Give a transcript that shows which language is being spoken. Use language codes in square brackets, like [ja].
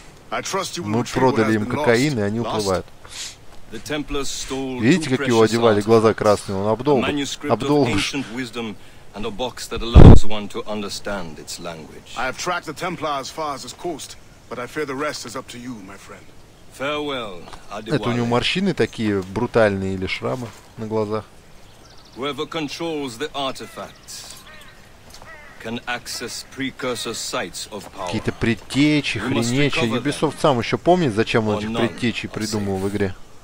[ru] Мы продали им кокаин, и они уплывают. Видите, как его одевали, глаза красные, он обдолбыш. [en] And a box that allows one to understand its language. I have tracked the Templar as far as his coast, but I fear the rest is up to you, my friend. Farewell, Adiwale. [ru] Это у него морщины такие брутальные или шрамы на глазах? [en] Whoever controls the artifacts can access precursor sites of power. [ru] Какие-то предтечи, хренечи. Ubisoft сам еще помнит, зачем он этих предтечей придумал в игре.